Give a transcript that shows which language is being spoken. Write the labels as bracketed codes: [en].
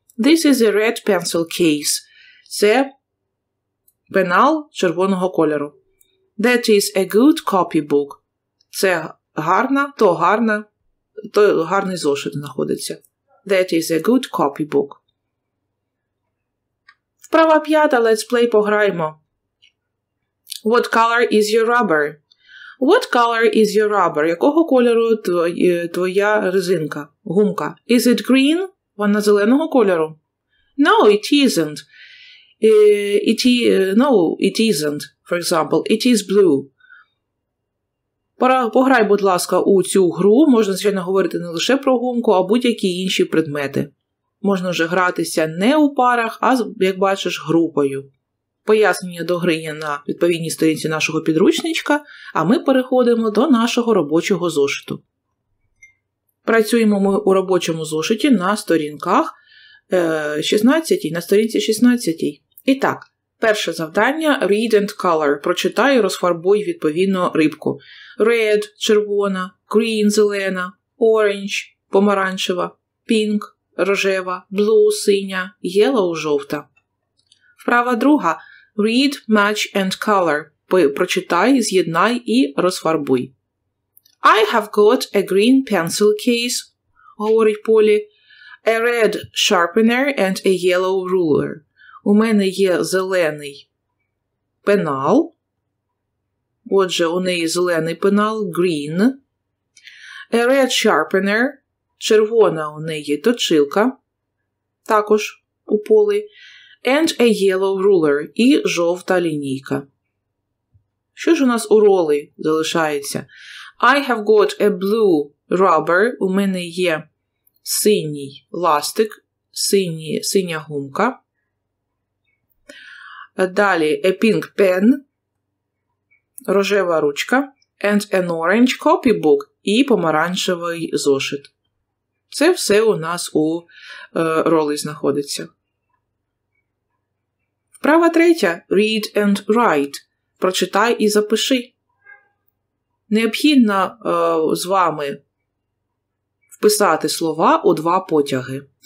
[en] This is a red pencil case. [uk] Це пенал червоного кольору. [en] That is a good copy book. [uk] Це гарна, то гарна, то гарний зошит знаходиться. [en] That is a good copy book. [uk] Вправа п'ята, [en] let's play, [uk] пограємо. [en] What color is your rubber? What color is your rubber? [uk] Якого кольору твоя резинка, гумка? [en] Is it green? [uk] Вона зеленого кольору? [en] No, it isn't. It isn't. For example, it is blue. [uk] Пограй, будь ласка, у цю гру. Можна, звичайно, говорити не лише про гумку, а будь-які інші предмети. Можна вже гратися не у парах, а, як бачиш, групою. пояснення до гри є на відповідній сторінці нашого підручничка, а ми переходимо до нашого робочого зошиту. Працюємо ми у робочому зошиті на сторінках 16, на сторінці 16. І так, перше завдання – [en] read and color. [uk] Прочитай і розфарбуй відповідно рибку. Red – червона, green – зелена, orange – помаранчева, pink – рожева, blue – синя, yellow – жовта. Вправа друга – [en] read, match and color. [uk] Прочитай, з'єднай і розфарбуй. [en] I have got a green pencil case, [uk] говорить Полі, [en] a red sharpener and a yellow ruler. [uk] У мене є зелений пенал. Отже, у неї зелений пенал, green. [en] A red sharpener, [uk] червона у неї точилка, також у Полі. [en] And a yellow ruler, [uk] і жовта лінійка. Що ж у нас у ролі залишається? [en] I have got a blue rubber, [uk] у мене є синій ластик, синя гумка. Далі, [en] a pink pen, [uk] рожева ручка, [en] and an orange copybook, [uk] і помаранчевий зошит. Це все у нас у ролі знаходиться. Вправа третя, [en] read and write, [uk] прочитай і запиши. Необхідно з вами вписати слова у два потяги.